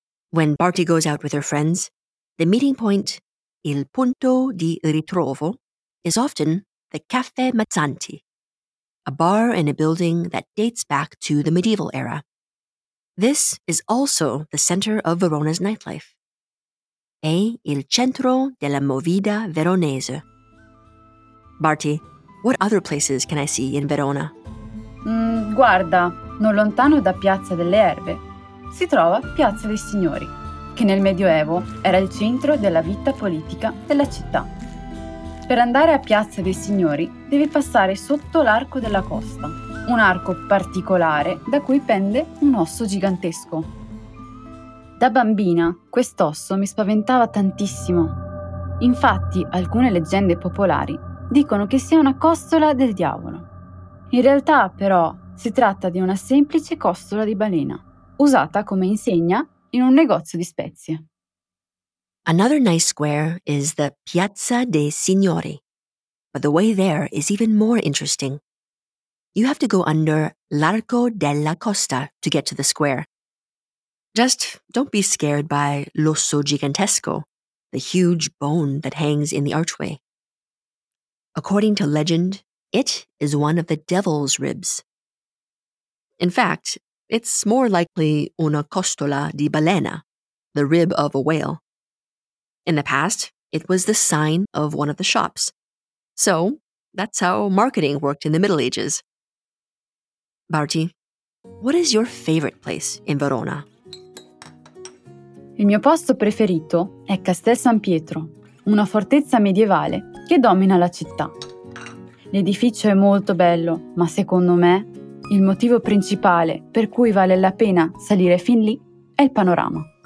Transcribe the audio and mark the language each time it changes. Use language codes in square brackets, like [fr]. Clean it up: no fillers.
[en] When Barty goes out with her friends, the meeting point, [it] il punto di ritrovo, [en] is often the Caffè Mazzanti, a bar in a building that dates back to the medieval era. This is also the center of Verona's nightlife. [it] È il centro della movida veronese. [en] Barty, what other places can I see in Verona? [it] Guarda, non lontano da Piazza delle Erbe si trova Piazza dei Signori, che nel Medioevo era il centro della vita politica della città. Per andare a Piazza dei Signori devi passare sotto l'Arco della Costa, un arco particolare da cui pende un osso gigantesco. Da bambina quest'osso mi spaventava tantissimo. Infatti, alcune leggende popolari dicono che sia una costola del diavolo. In realtà, però, si tratta di una semplice costola di balena, usata come insegna in un negozio di spezie. [en] Another nice square is the Piazza dei Signori, but the way there is even more interesting. You have to go under l'Arco della Costa to get to the square. Just don't be scared by [it] l'osso gigantesco, [en] the huge bone that hangs in the archway. According to legend, it is one of the devil's ribs. In fact, it's more likely [it] una costola di balena, [en] the rib of a whale. In the past, it was the sign of one of the shops. So, that's how marketing worked in the Middle Ages. Barty, what is your favorite place in Verona? [it] Il mio posto preferito è Castel San Pietro, una fortezza medievale che domina la città. L'edificio è molto bello, ma secondo me il motivo principale per cui vale la pena salire fin lì è il panorama.